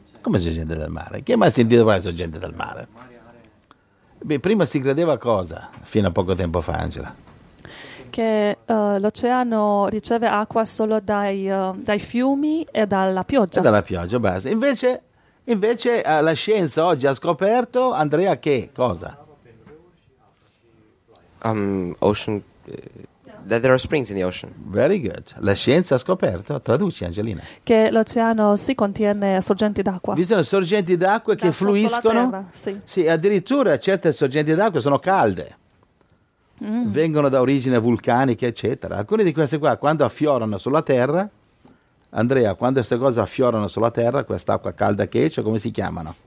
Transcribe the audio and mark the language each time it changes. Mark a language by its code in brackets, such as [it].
[it] Come sorgente del mare? Chi ha mai sentito parlare sorgente del mare? Beh, prima si credeva cosa, fino a poco tempo fa, Angela? Che l'oceano riceve acqua solo dai fiumi e dalla pioggia. E dalla pioggia, basta. Invece la scienza oggi ha scoperto, Andrea, che cosa? [en] Ocean, that there are springs in the ocean. Very good. [it] La scienza ha scoperto, traduci, Angelina. Che l'oceano si contiene sorgenti d'acqua. Vi sono sorgenti d'acqua che fluiscono? Terra, sì. Sì, addirittura certe sorgenti d'acqua sono calde. Vengono da origine vulcanica, eccetera. Alcune di queste qua, quando affiorano sulla terra, Andrea, quando queste cose affiorano sulla terra, quest'acqua calda che c'è, come si chiamano?